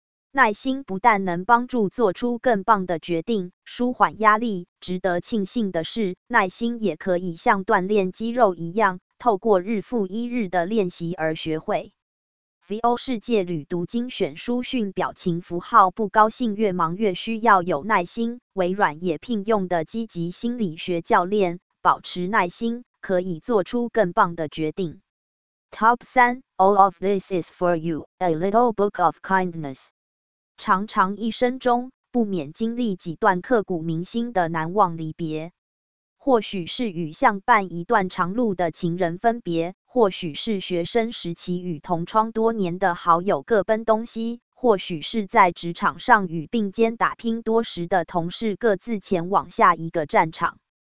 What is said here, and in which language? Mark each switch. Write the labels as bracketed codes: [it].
[zh] 耐心不但能帮助做出更棒的决定，舒缓压力，值得庆幸的是，耐心也可以像锻炼肌肉一样，透过日复一日的练习而学会。 VO 世界旅读精选书讯，表情符号不高兴越忙越需要有耐心，微软也聘用的积极心理学教练，保持耐心，可以做出更棒的决定。 [en] Top 3, All of This is for You, A Little Book of Kindness. [zh] 常常一生中不免经历几段刻骨铭心的难忘离别，或许是与相伴一段长路的情人分别，或许是学生时期与同窗多年的好友各奔东西，或许是在职场上与并肩打拼多时的同事各自前往下一个战场。